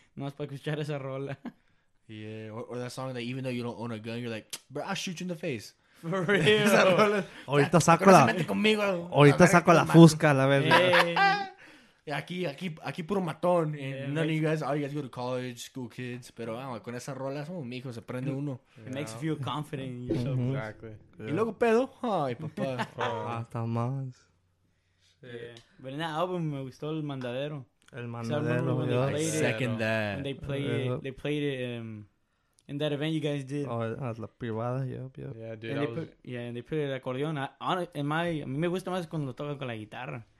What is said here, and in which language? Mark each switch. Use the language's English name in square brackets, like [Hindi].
[Spanish] No es para escuchar esa rola. [English] Yeah, or that song that even though you don't own a gun, you're like, bro, I'll shoot you in the face. For real. [Spanish] Ahorita saco la. Ahorita saco la fusca, la verdad. Yeah, aquí puro matón. [English] And yeah, none of you guys, all you guys go to college, school kids. [Spanish] Pero, con esa rola, es como mi hijo, se prende uno. [English] It makes you feel confident in yourself. Mm-hmm. Exactly. [Spanish] Yeah. Y luego pedo. Ay, papá. Hasta más. [English] Yeah. But in that album, [Spanish] me gustó [English] El Mandadero. El Mandadero. So I second that. When they played it. They played it in that event you guys did. Oh, at La Privada, yep, yep. Yeah, dude. And they played the accordion. [Spanish] A mí me gusta más cuando lo toca con la guitarra.